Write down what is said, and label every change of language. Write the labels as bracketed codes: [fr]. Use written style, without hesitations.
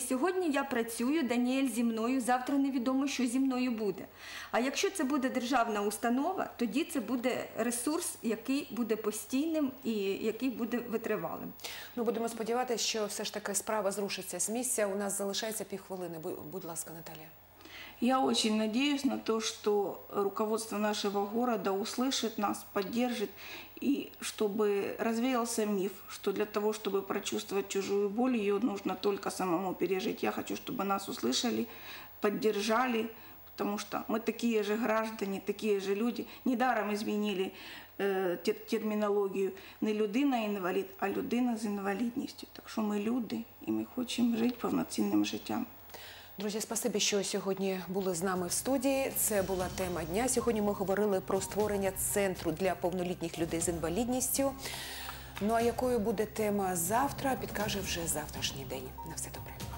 [uk] Сьогодні я працюю, Даніель зі мною, завтра невідомо, що зі мною буде. А якщо це буде державна установа, тоді це буде ресурс, який буде постійним і який буде витривалим. Ну, будемо сподіватися, що все ж таки справа зрушиться з місця. У нас залишається півхвилини. Будь ласка, Наталія. [ru] Я очень надеюсь на то, что руководство нашего города услышит нас, поддержит, и чтобы развеялся миф, что для того, чтобы прочувствовать чужую боль, ее нужно только самому пережить. Я хочу, чтобы нас услышали, поддержали, потому что мы такие же граждане, такие же люди. Недаром изменили терминологию не людина-инвалид, а людина с инвалидностью. Так что мы люди, и мы хочем жить [uk] повноцінним життям. Друзі, спасибі, що сьогодні були з нами в студії. Це була тема дня. Сьогодні ми говорили про створення центру для повнолітніх людей з інвалідністю. Ну, а якою буде тема завтра, підкаже вже завтрашній день. На все добре.